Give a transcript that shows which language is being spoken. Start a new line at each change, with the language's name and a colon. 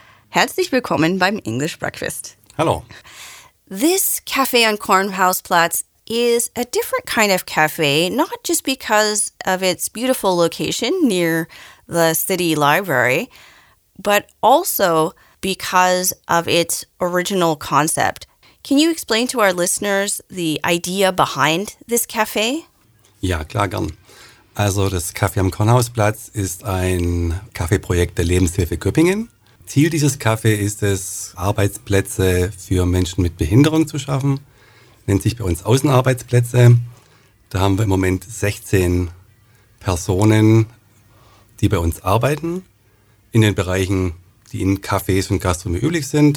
German: Herzlich willkommen beim English Breakfast.
English: Hello. This cafe on Kornhausplatz is a different kind of cafe, not just because of its beautiful location near the city library, but also because of its original concept. Can you explain to our listeners the idea behind this cafe?
German: Ja, klar, gern. Also das Café am Kornhausplatz ist ein Kaffeeprojekt der Lebenshilfe Göppingen. Ziel dieses Café ist es, Arbeitsplätze für Menschen mit Behinderung zu schaffen. Nennt sich bei uns Außenarbeitsplätze. Da haben wir im Moment 16 Personen, die bei uns arbeiten, in den Bereichen, die in Cafés und Gastronomie üblich sind.